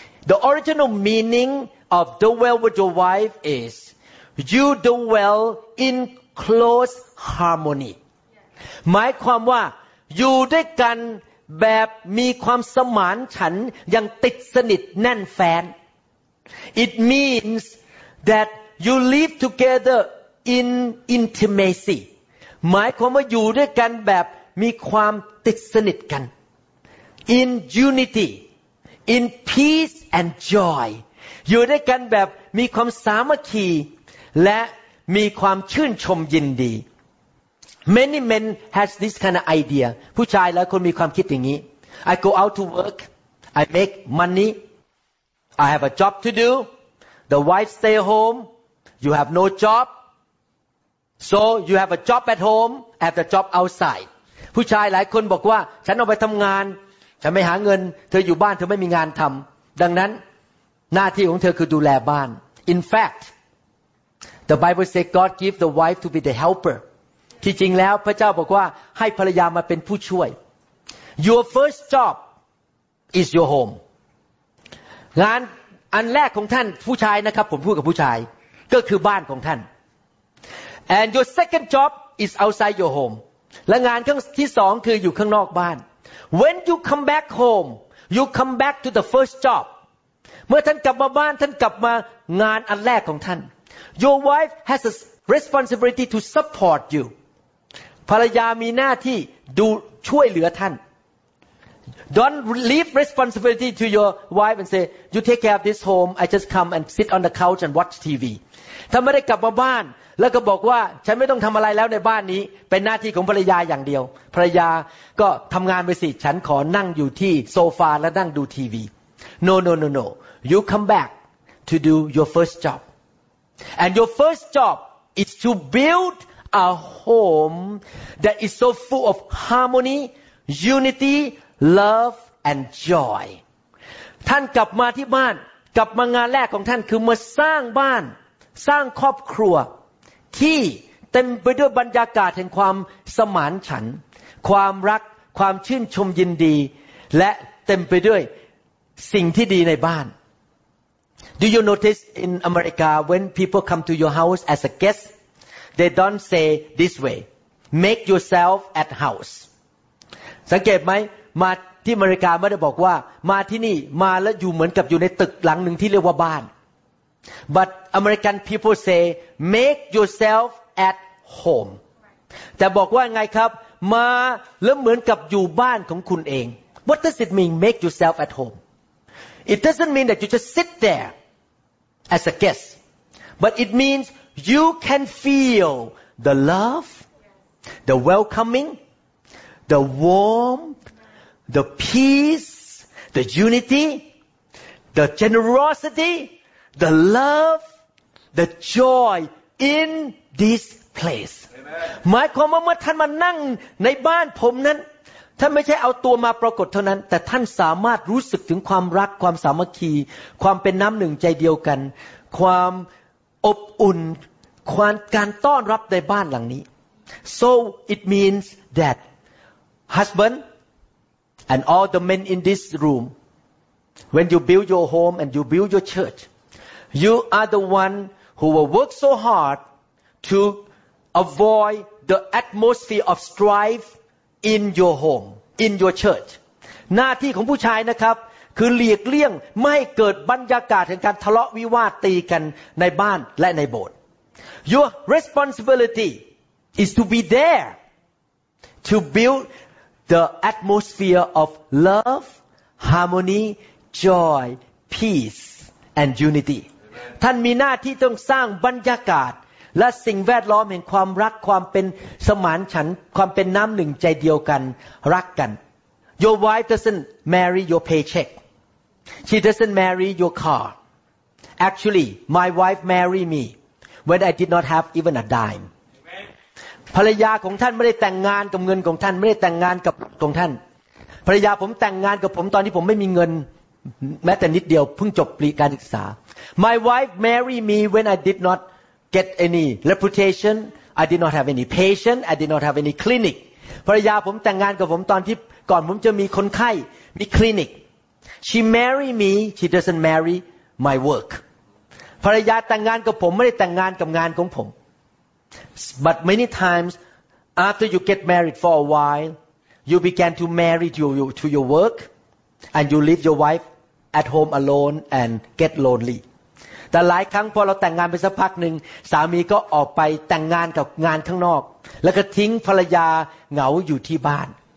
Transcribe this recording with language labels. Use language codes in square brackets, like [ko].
[en] The original meaning of dwell with your wife is you dwell in close harmony [th] หมายความว่าอยู่ด้วยกันแบบมีความสมานฉันท์อย่างติดสนิทแน่นแฟ้น [en] It means that you live together in intimacy [th] หมายความว่าอยู่ด้วยกันแบบมีความติดสนิทกัน [en] in unity in peace and joy [th] อยู่ด้วยกันแบบมีความสามัคคีและมีความชื่นชมยินดี [en] Many men has this kind of idea [th] ผู้ชายหลายคนมีความคิดอย่างนี้ [en] I go out to work I make moneyI have a job to do. The wife stay home. You have no job. So you have a job at home. Have the job outside. [th] ผู้ชายหลายคนบอกว่าฉันออกไปทำงานฉันไม่หาเงินเธออยู่บ้านเธอไม่มีงานทำดังนั้นหน้าที่ของเธอคือดูแลบ้าน [en] In fact, the Bible says God give the wife to be the helper. [th] ที่จริงแล้วพระเจ้าบอกว่าให้ภรรยามาเป็นผู้ช่วย [en] Your first job is your home. [th] งานอันแรกของท่านผู้ชายนะครับผมพูดกับผู้ชายก็คือบ้านของท่าน [en] And your second job is outside your home [th] และงานที่สองคืออยู่ข้างนอกบ้าน [en] When you come back home you come back to the first job [th] เมื่อท่านกลับมาบ้านท่านกลับมางานอันแรกของท่าน [en] Your wife has a responsibility to support you [th] ภรรยามีหน้าที่ดูช่วยเหลือท่าน [en] Don't leave responsibility to your wife and say you take care of this home. I just come and sit on the couch and watch TV. [th] ถ้าไม่ได้กลับมาบ้านแล้วก็บอกว่าฉันไม่ต้องทำอะไรแล้วในบ้านนี้เป็นหน้าที่ของภรรยาอย่างเดียวภรรยาก็ทำงานไปสิฉันขอนั่งอยู่ที่โซฟาและนั่งดูทีวี [en] No. You come back to do your first job. And your first job is to build a home that is so full of harmony, unity. Love and joy. [th] ท่านกลับมาที่บ้านกลับมางานแรกของท่านคือมาสร้างบ้านสร้างครอบครัวที่เต็มไปด้วยบรรยากาศแห่งความสมานฉันท์ความรักความชื่นชมยินดีและเต็มไปด้วยสิ่งที่ดีในบ้าน [en] Do you notice in America when people come to your house as a guest, they don't say this way, make yourself at house. [th] สังเกตไหมมาที่อเมริกาไม่ได้บอกว่ามาที่นี่มาแล้วอยู่เหมือนกับอยู่ในตึกหลังหนึ่งที่เรียกว่าบ้าน [en] But American people say make yourself at home [th] แต่บอกว่าไงครับมาแล้วเหมือนกับอยู่บ้านของคุณเอง [en] What does it mean make yourself at home It doesn't mean that you just sit there as a guest but it means you can feel the love the welcoming the warmthe peace the unity the generosity the love the joy in this place [th] หมายความว่าเมื่อท่านมานั่งในบ้านผมนั้นท่านไม่ใช่เอาตัวมาปรากฏเท่านั้นแต่ท่านสามารถรู้สึกถึงความรักความสามัคคีความเป็นน้ำหนึ่งใจเดียวกันความอบอุ่นความการต้อนรับในบ้านหลังนี้ [en] so it means that husbandAnd all the men in this room, when you build your home and you build your church, You are the one who will work so hard to avoid the atmosphere of strife in your home, in your church. [th] หน้าที่ของผู้ชายนะครับคือหลีกเลี่ยงไม่ให้เกิดบรรยากาศแห่งการทะเลาะวิวาทตีกันในบ้านและในโบสถ์ [en] Your responsibility is to be there to build the atmosphere of love, harmony, joy, peace and unity. [th] ท่านมีหน้าที่ต้องสร้างบรรยากาศและสิ่งแวดล้อมแห่งความรักความเป็นสมานฉันท์ความเป็นน้ำหนึ่งใจเดียวกันรักกัน [en] Your wife doesn't marry your paycheck. She doesn't marry your car. Actually, my wife married me when I did not have even a dime. [th] ภรรยาของท่านไม่ได้แต่งงานกับเงินของท่านไม่ได้แต่งงานกับของท่านภรรยาผมแต่งงานกับผมตอนที่ผมไม่มีเงินแม้แต่นิดเดียวเพิ่งจบปริญญาศึกษา [en] My wife married me when I did notget any reputation I did not have any patient I did not have any clinic [th] ภรรยาผมแต่งงานกับผมตอนที่ก่อนผมจะมีคนไข้มีคลินิก [en] she married me she doesn't marry my work [th] ภรรยาแต่งงานกับผมไม่ได้แต่งงานกับงานของผม [en] but many times after you get married for a while you began to marry to your work and you leave your wife at home alone and get lonely [th] แต่หลายครั้งพอเราแต่งงานไปสักพักหนึ่งสามีก็ออกไปแต่งงานกับงานข้างนอกแล้วก็ทิ้งภรรยาเหงาอยู่ที่บ้าน